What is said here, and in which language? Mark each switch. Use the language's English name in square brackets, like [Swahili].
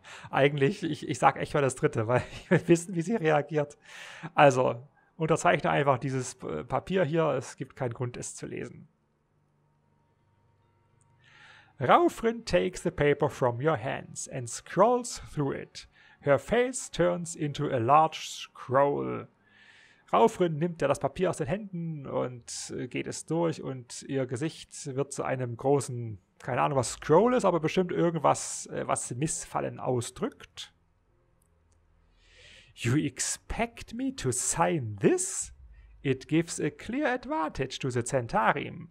[German] Eigentlich, ich sag echt mal das Dritte, weil ich will wissen, wie sie reagiert. Also, unterzeichne einfach dieses Papier hier, es gibt keinen Grund, es zu lesen. [English] Raufrin takes the paper from your hands and scrolls through it. Her face turns into a large scroll. [German] Raufrin nimmt ja das Papier aus den Händen und geht es durch und ihr Gesicht wird zu einem großen, keine Ahnung, was Scroll ist, aber bestimmt irgendwas, was Missfallen ausdrückt. [English] You expect me to sign this? It gives a clear advantage to the Centarim.